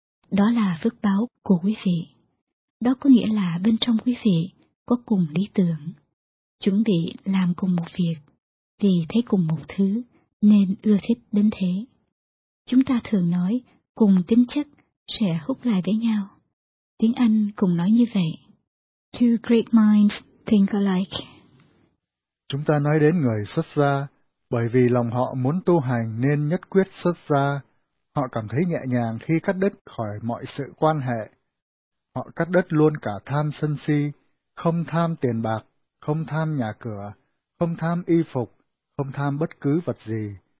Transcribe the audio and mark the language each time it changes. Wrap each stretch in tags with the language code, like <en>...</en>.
<vi>Đó là phước báo của quý vị. Đó có nghĩa là bên trong quý vị có cùng lý tưởng, chuẩn bị làm cùng một việc, vì thấy cùng một thứ nên ưa thích đến thế. Chúng ta thường nói cùng tính chất sẽ hút lại với nhau. Tiếng Anh cũng nói như vậy.</vi> <en>Two great minds think alike.</en> <vi>Chúng ta nói đến người xuất gia, bởi vì lòng họ muốn tu hành nên nhất quyết xuất gia. Họ cảm thấy nhẹ nhàng khi cắt đứt khỏi mọi sự quan hệ. Họ cắt đứt luôn cả tham sân si, không tham tiền bạc, không tham nhà cửa, không tham y phục, không tham bất cứ vật gì.</vi>